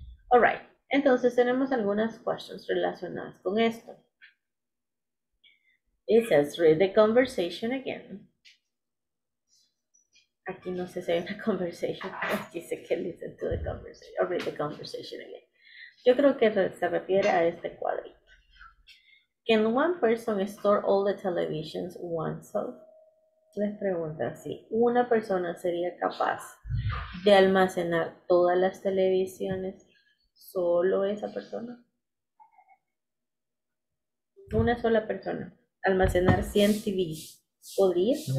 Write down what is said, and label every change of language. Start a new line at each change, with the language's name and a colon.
Spanish: Alright, entonces tenemos algunas questions relacionadas con esto.
English: It says, read the conversation again.
Spanish: Aquí no sé si hay una conversation, pero dice que
English: listen to the conversation, read the conversation again.
Spanish: Yo creo que se refiere a este cuadrito.
English: Can one person store all the televisions once off?
Spanish: Les pregunta si una persona sería capaz de almacenar todas las televisiones, solo esa persona. Una sola persona. almacenar 100 TV. ¿Podría?